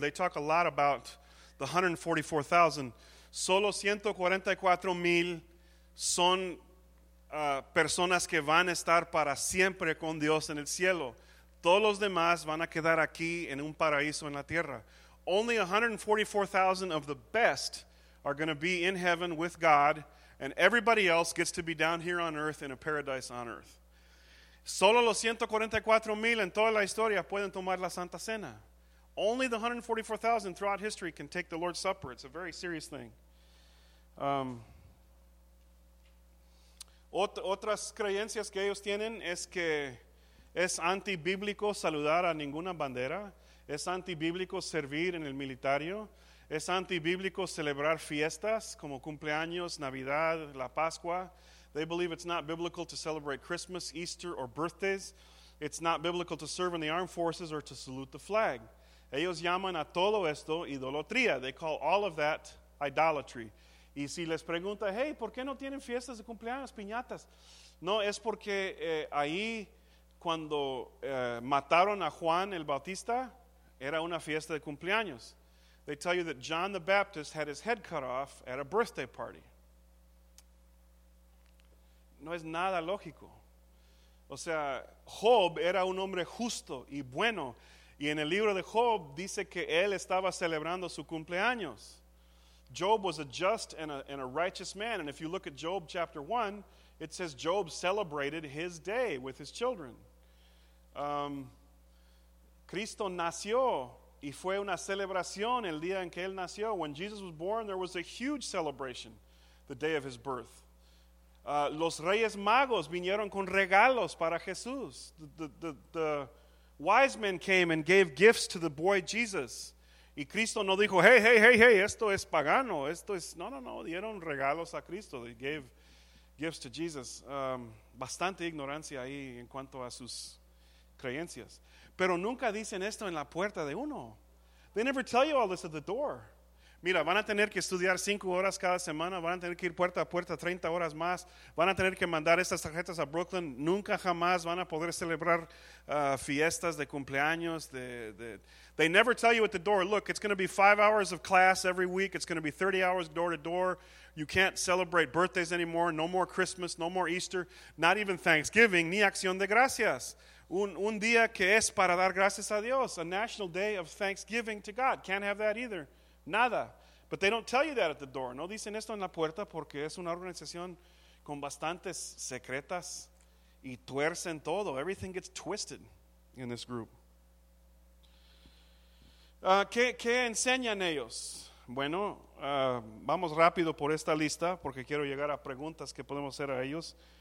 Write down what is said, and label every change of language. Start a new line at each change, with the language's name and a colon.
English: They talk a lot about the 144,000.
Spanish: Solo 144,000 son personas que van a estar para siempre con Dios en el cielo. Todos los demás van a quedar aquí en un paraíso en la tierra.
English: Only 144,000 of the best are going to be in heaven with God, and everybody else gets to be down here on earth in a paradise on earth.
Spanish: Solo los 144,000 en toda la historia pueden tomar la Santa Cena.
English: Only the 144,000 throughout history can take the Lord's Supper. It's a very serious thing.
Spanish: Otras creencias que ellos tienen es que es antibíblico saludar a ninguna bandera. Es antibíblico servir en el militario. Es antibíblico celebrar fiestas como cumpleaños, Navidad, la Pascua.
English: They believe it's not biblical to celebrate Christmas, Easter, or birthdays. It's not biblical to serve in the armed forces or to salute the flag.
Spanish: Ellos llaman a todo esto idolatría.
English: They call all of that idolatry.
Spanish: Y si les pregunta, hey, ¿por qué no tienen fiestas de cumpleaños, piñatas? No, es porque ahí cuando mataron a Juan el Bautista, era una fiesta de cumpleaños.
English: They tell you that John the Baptist had his head cut off at a birthday party.
Spanish: No es nada lógico. O sea, Job era un hombre justo y bueno. Y en el libro de Job dice que él estaba celebrando su cumpleaños.
English: Job was a just and a righteous man. And if you look at Job chapter 1, It says Job celebrated his day with his children.
Spanish: Cristo nació y fue una celebración el día en que él nació.
English: When Jesus was born, there was a huge celebration the day of his birth.
Spanish: Los reyes magos vinieron con regalos para Jesús.
English: The wise men came and gave gifts to the boy Jesus.
Spanish: Y Cristo no dijo, hey, esto es pagano. No, dieron regalos a Cristo.
English: They gave gifts to Jesus.
Spanish: Bastante ignorancia ahí en cuanto a sus creencias. Pero nunca dicen esto en la puerta de uno.
English: They never tell you all this at the door.
Spanish: Mira, van a tener que estudiar 5 horas cada semana, van a tener que ir puerta a puerta 30 horas más, van a tener que mandar estas tarjetas a Brooklyn, nunca jamás van a poder celebrar fiestas de cumpleaños.
English: They never tell you at the door, look, it's going to be 5 hours of class every week, it's going to be 30 hours door to door, you can't celebrate birthdays anymore, no more Christmas, no more Easter, not even Thanksgiving,
Spanish: ni Acción de Gracias. Un día que es para dar gracias a Dios,
English: a national day of thanksgiving to God, can't have that either.
Spanish: Nada.
English: But they don't tell you that at the door.
Spanish: No dicen esto en la puerta porque es una organización con bastantes secretas y tuercen todo.
English: Everything gets twisted in this group.
Spanish: ¿Qué enseñan ellos? Bueno, vamos rápido por esta lista porque quiero llegar a preguntas que podemos hacer a ellos.